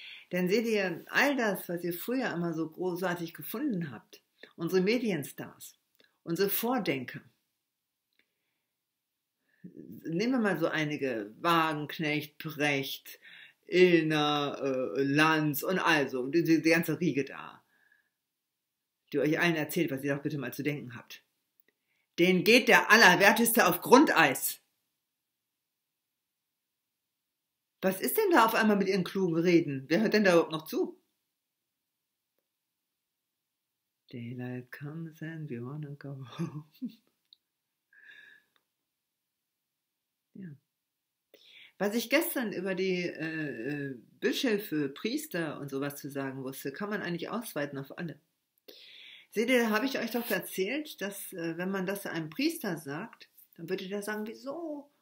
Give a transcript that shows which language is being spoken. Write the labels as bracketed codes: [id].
[de] Denn seht ihr, all das, was ihr früher immer so großartig gefunden habt, unsere Medienstars, unsere Vordenker, nehmen wir mal so einige, Wagenknecht, Precht, Illner, Lanz und also, die ganze Riege da, die euch allen erzählt, was ihr doch bitte mal zu denken habt. Den geht der Allerwerteste auf Grundeis. Was ist denn da auf einmal mit ihren klugen Reden? Wer hört denn da überhaupt noch zu? [en] Daylight comes and we wanna go home. [de] Ja. Was ich gestern über die Bischöfe, Priester und sowas zu sagen wusste, kann man eigentlich ausweiten auf alle. Seht ihr, da habe ich euch doch erzählt, dass wenn man das einem Priester sagt, dann würde der sagen, wieso?